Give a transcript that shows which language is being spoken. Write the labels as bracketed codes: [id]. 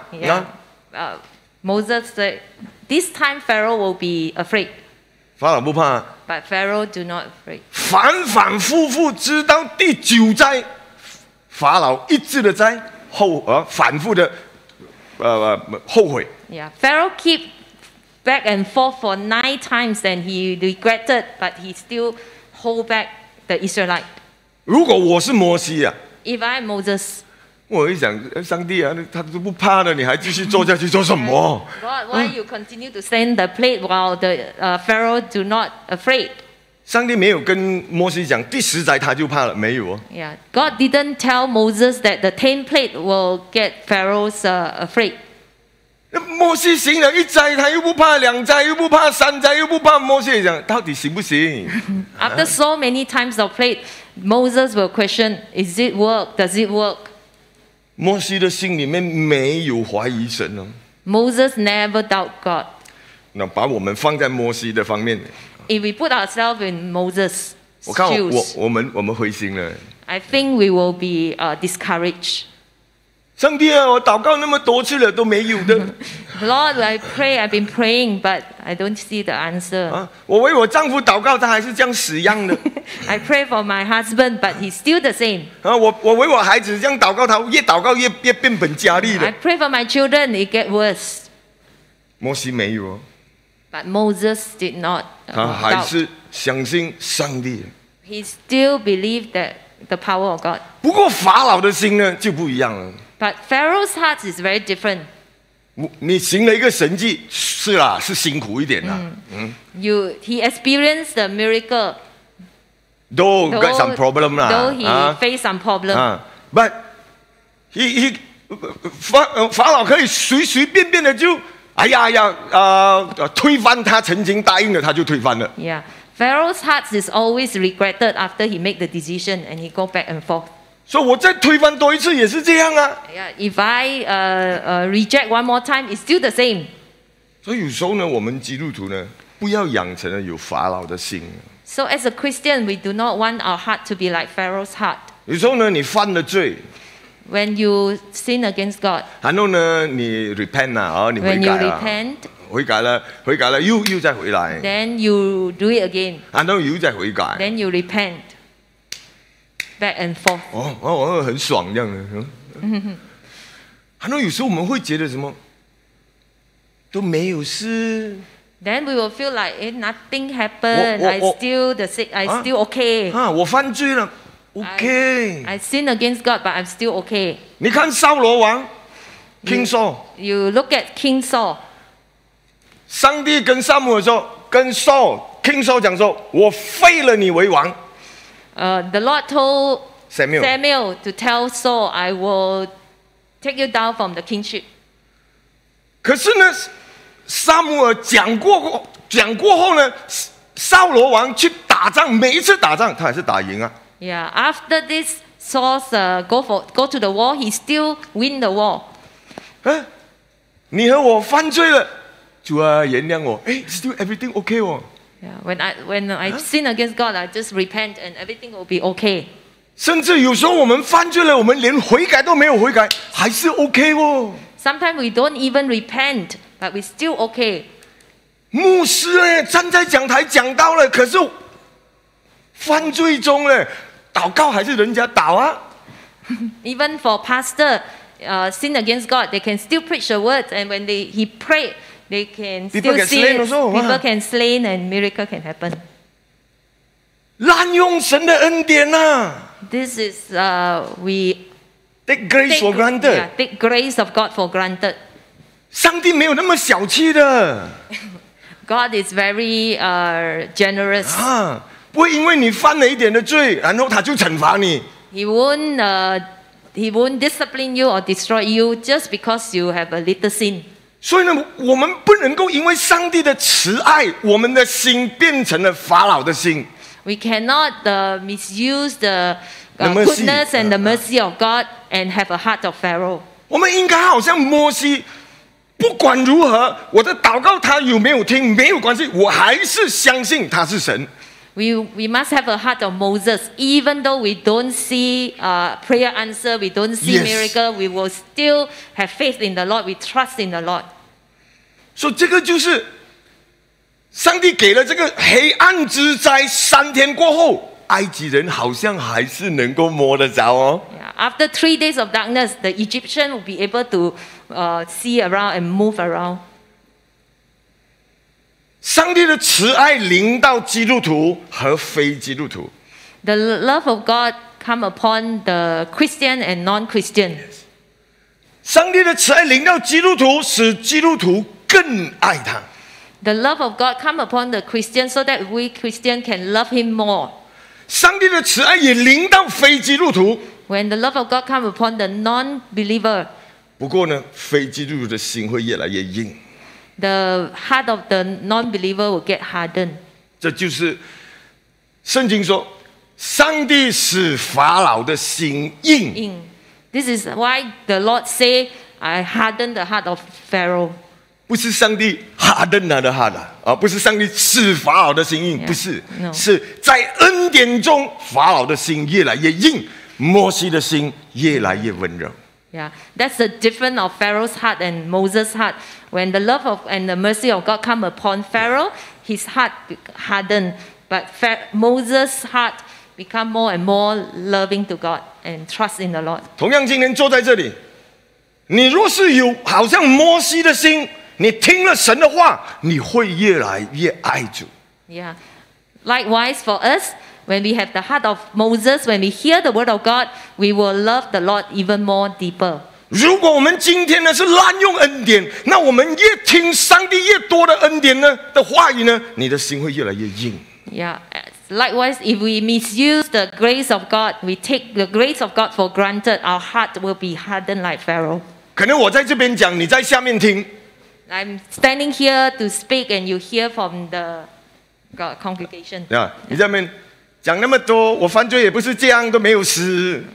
[en] yeah, Moses said, this time Pharaoh will be afraid. [zh] 法老不怕。 [en] But Pharaoh do not afraid. [zh] 反反复复直到第九灾法老一直的灾后反复的后悔。 [en] Yeah, Pharaoh keep back and forth for nine times and he regretted, but he still hold back the Israelite. [zh] 如果我是摩西啊。 [en] If I'm Moses, [zh] 我一想，上帝啊，他都不怕了，你还继续做下去做什么 [en] ？God, why you continue to send the plague while the Pharaoh do not afraid? [zh] 上帝没有跟摩西讲第十灾他就怕了，没有哦。 Yeah, God didn't tell Moses that the tenth plague will get Pharaoh's afraid. 摩西行了一灾，他又不怕两灾，又不怕三灾，又不怕。摩西讲，到底行不行 [en] ？After so many times of plague, Moses will question, "Is it work? Does it work?" [zh] 摩西的心里面没有怀疑神哦。 [en] Moses never doubt God. [zh] 那把我们放在摩西的方面。 [en] If we put ourselves in Moses' shoes, [zh] 我看我们灰心了。 [en] I think we will be discouraged. [zh] 上帝啊，我祷告那么多次了都没有的。 [en] Lord, I pray, I've been praying, but I don't see the answer. 啊， [zh] 我为我丈夫祷告，他还是这样死样的。 [en] I pray for my husband, but he's still the same. [zh] 啊，我为我孩子这样祷告，他越祷告越变本加厉了。 [en] I pray for my children, it get worse. [zh] 摩西没有 [en] ，But Moses did not. [zh] 他还是相信上帝。 [en] He still believed that the power of God. [zh] 不过法老的心呢就不一样了。 [en] But Pharaoh's heart is very different. [zh] 你行了一个神迹，是啦，是辛苦一点啦。 [en] He experienced the miracle. Though got some problem lah. Though he faced some problem. But he [zh] 法老可以随随便便的就。哎呀呀！推翻他曾经答应的，他就推翻了。 [en] Yeah, Pharaoh's heart is always regretted after he make the decision, and he go back and forth. [zh] 所以我再推翻多一次也是这样啊。 [en] Yeah, if I reject one more time, it's still the same. [zh] 所以有时候呢，我们基督徒呢，不要养成了有法老的心。 [en] So as a Christian, we do not want our heart to be like Pharaoh's heart. [zh] 有时候呢，你犯了罪。 [en] When you sin against God, [zh] 然后呢，你 repent 啦，哦，你悔改啦。 [en] When you repent, [zh] 悔改了，悔改了，又再回来。 [en] Then you do it again. [zh] 然后又再悔改。 [en] Then you repent, back and forth. [zh] 哦，很爽这样的。然后有时候我们会觉得什么都没有事。 [en] Then we will feel like, nothing happened. I still the sick. I still okay. [zh] 啊，我犯罪了。Okay. [en] I sin against God, but I'm still okay. [zh] 你看扫罗王 King Saul. [en] You look at King Saul. [zh] 上帝跟撒母耳说，跟 Saul King Saul 讲说，我废了你为王。 [en] The Lord told Samuel to tell Saul, I will take you down from the kingship. [zh] 可是呢，撒母耳讲过后呢，扫罗王去打仗，每一次打仗他还是打赢啊。 [en] Yeah, after this Saul go to the war, he still win the war. [zh] 你和我犯罪了，主啊，原谅我。 [en] Still everything okay [zh] 哦。 [en] Yeah, when I sin against God, I just repent and everything will be okay. [zh] 甚至有时候我们犯罪了，我们连悔改都没有悔改，还是 okay 哦。 [en] Sometimes we don't even repent, but we still okay. [zh] 牧师呢，站在讲台讲到了，可是。犯罪中嘞，祷告还是人家祷啊。 [en] Even for pastor, sin against God, they can still preach the words, and when he pray, they can still see people can slain and miracle can happen. [zh] 滥用神的恩典啊。 [en] This is we take grace for granted. Yeah, take grace of God for granted. [zh] 上帝没有那么小气的。 [en] God is very generous. 啊。 [zh] 不会因为你犯了一点的罪，然后他就惩罚你。 [en] He won't discipline you or destroy you just because you have a little sin. [zh] 所以呢，我们不能够因为上帝的慈爱，我们的心变成了法老的心。 [en] We cannot misuse the goodness and the mercy of God and have a heart of Pharaoh. [zh] 我们应该好像摩西。不管如何，我的祷告他有没有听没有关系，我还是相信他是神。 [en] We must have a heart of Moses. Even though we don't see prayer answer, we don't see miracle, we will still have faith in the Lord. We trust in the Lord. [zh] So, 这个就是上帝给了这个黑暗之灾三天过后，埃及人好像还是能够摸得着哦。 [en] After 3 days of darkness, the Egyptian will be able to see around and move around. [zh] 上帝的慈爱临到基督徒和非基督徒。 [en] The love of God come upon the Christian and non-Christian. [zh] 上帝的慈爱临到基督徒，使基督徒更爱他。 [en] The love of God come upon the Christian so that we Christian can love him more. [zh] 上帝的慈爱也临到非基督徒。 [en] When the love of God come upon the non-believer. [zh] 不过呢，非基督徒的心会越来越硬。 [en] The heart of the non-believer will get hardened. [zh] 这就是圣经说，上帝使法老的心硬。 [en] This is why the Lord say, "I harden the heart of Pharaoh." [zh] 不是上帝 harden 他的 heart 啊，不是上帝赐法老的心硬， yeah, 不是， [en] no. [zh] 是在恩典中法老的心越来越硬，摩西的心越来越温柔。 [en] Yeah, that's the difference of Pharaoh's heart and Moses' heart. When the love of and the mercy of God come upon Pharaoh, his heart hardened, but Moses' heart become more and more loving to God and trust in the Lord. [zh] 同样，今天坐在这里，你若是有好像摩西的心。你听了神的话，你会越来越爱主。 [en] Yeah, likewise for us, when we have the heart of Moses, when we hear the word of God, we will love the Lord even more deeper. [zh] 如果我们今天呢是滥用恩典，那我们越听上帝越多的恩典呢的话语呢，你的心会越来越硬。 [en] Yeah, likewise, if we misuse the grace of God, we take the grace of God for granted, our heart will be hardened like Pharaoh. [zh] 可能我在这边讲，你在下面听。 [en] I'm standing here to speak, and you hear from the congregation. Yeah, you [zh] 在那边讲那么多，我犯罪也不是这样，都没有死。